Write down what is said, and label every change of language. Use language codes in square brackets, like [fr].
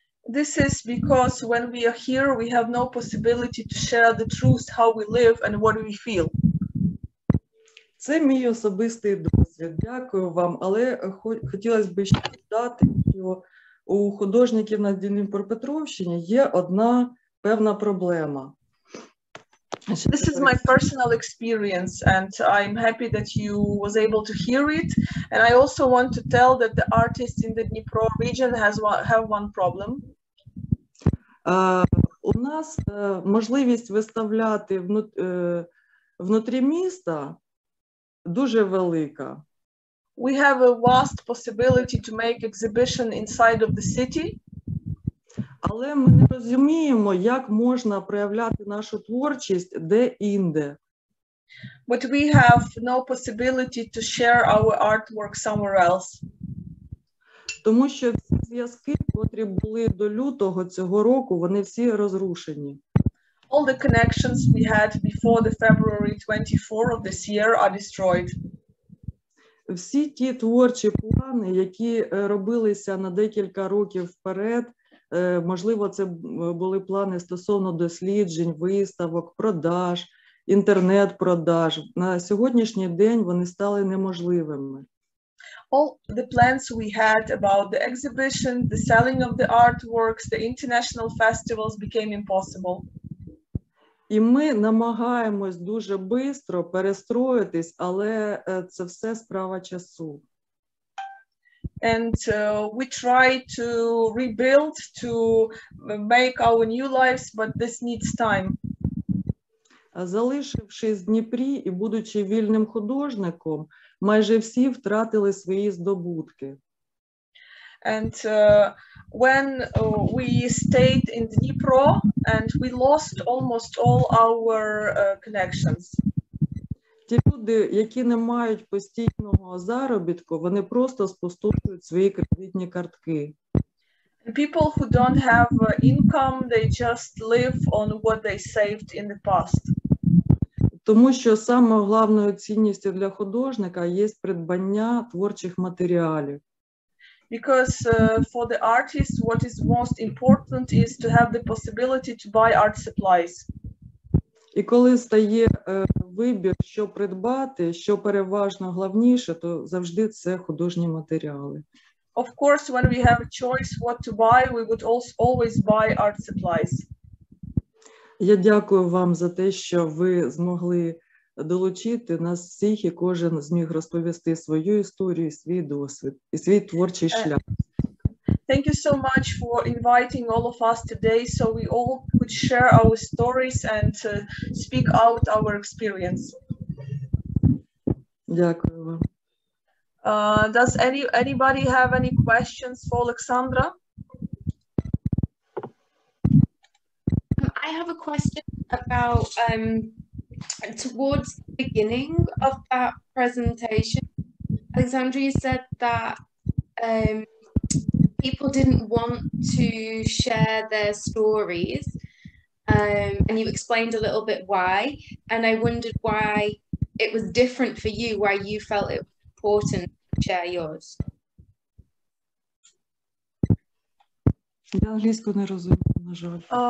[en] This is because when we are here, we have no possibility to share the truth, how we live and what we feel. [uk] Це мій особистий досвід. Дякую вам. Але хотілося б ще додати, що у художників на Дніпропетровщині є одна певна проблема. [en] This is my personal experience and I'm happy that you was able to hear it. And I also want to tell that the artists in the Dnipro region have one problem. [uk] У нас можливість виставляти внутрі міста дуже велика. [en] We have a vast possibility to make exhibition inside of the city. [uk] Але ми не розуміємо, як можна проявляти нашу творчість де-інде. [en] But we have no possibility to share our artwork somewhere else. [uk] Тому що всі зв'язки, котрі були до лютого цього року, вони всі розрушені. [en] All the connections we had before the February 24 of this year are destroyed. [uk] Всі ті творчі плани, які робилися на декілька років вперед, можливо, це були плани стосовно досліджень, виставок, продаж, інтернет-продаж. На сьогоднішній день вони стали неможливими. [en] All the plans we had about the exhibition, the selling of the artworks, the international festivals became impossible. [uk] І ми намагаємось дуже швидко перестроїтись, але це все справа часу. [en] And we try to rebuild, to make our new lives, but this needs time. [uk] Залишившись в Дніпрі і будучи вільним художником, майже всі втратили свої здобутки. [en] And when we stayed in Dnipro and we lost almost all our connections. [uk] Ті люди, які не мають постійного заробітку, вони просто спустошують свої кредитні картки. [en] And people who don't have income, they just live on what they saved in the past. [uk] Тому що самою головною цінністю для художника є придбання творчих матеріалів. [en] Because for the artist, what is most important is to have the possibility to buy art supplies. [uk] І коли стає вибір, що придбати, що переважно головніше, то завжди це художні матеріали. [en] Of course, when we have a choice what to buy, we would always buy art supplies. [uk] Я дякую вам за те, що ви змогли долучити нас всіх і кожен зміг розповісти свою історію, свій досвід і свій творчий шлях. [en] Thank you so much for inviting all of us today so we all could share our stories and speak out our experience. [uk] Дякую вам. [en] Does anybody have any questions for Олександра? I have a question about towards the beginning of that presentation. Alexandra, you said that people didn't want to share their stories. And you explained a little bit why, and I wondered why it was different for you, why you felt it was important to share yours. [uk] Я англійську не розумію, на жаль.